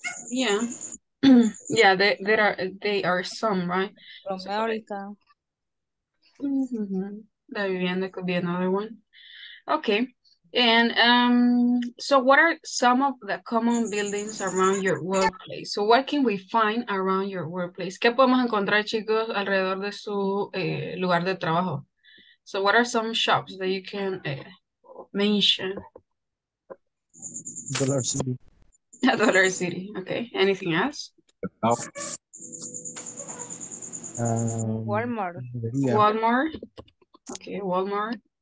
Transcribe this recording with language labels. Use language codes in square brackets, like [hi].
[en] Yeah. Yeah, they are some, right? [es] Promérica. La vivienda [en] could be another one. Okay. And so what are some of the common buildings around your workplace? So what can we find around your workplace? [es] ¿Qué podemos encontrar, chicos, alrededor de su lugar de trabajo? [en] So what are some shops that you can mention? Dollar City. Dollar City, okay. Anything else? No. Walmart. Walmart. Okay, Walmart.